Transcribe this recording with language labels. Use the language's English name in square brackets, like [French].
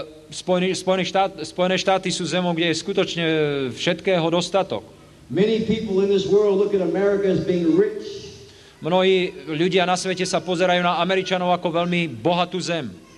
[Slovak] Spojené štáty sú zemou, kde je skutočne všetkého dostatok. [English] Many people in this world look at America as being rich. [Slovak] Mnohí ľudia na svete sa pozerajú na Američanov ako veľmi bohatú zem.